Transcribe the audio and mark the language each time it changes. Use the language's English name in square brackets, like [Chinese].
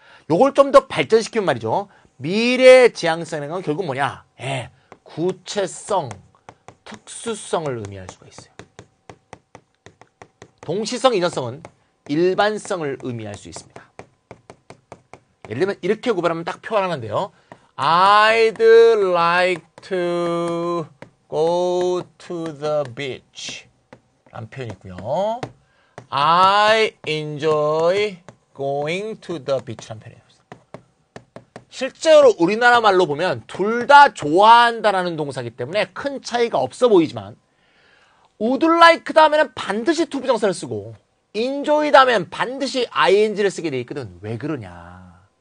[Korean] 요걸 좀 더 발전시키면 말이죠. 미래의 지향성이라는 건 결국 뭐냐? 예, 구체성, 특수성을 의미할 수가 있어요. 동시성, 이전성은 일반성을 의미할 수 있습니다. 예를 들면 이렇게 구별하면 딱 표현하는데요. [English] I'd like to go to the beach. [Korean] 라는 표현이 있고요. [English] I enjoy going to the beach. [Korean] 라는 표현이에요. 실제로 우리나라 말로 보면 둘 다 좋아한다라는 동사이기 때문에 큰 차이가 없어 보이지만 would like 다음에는 반드시 to 부정사를 쓰고 enjoy 다음에는 반드시 ing를 쓰게 돼 있거든. 왜 그러냐?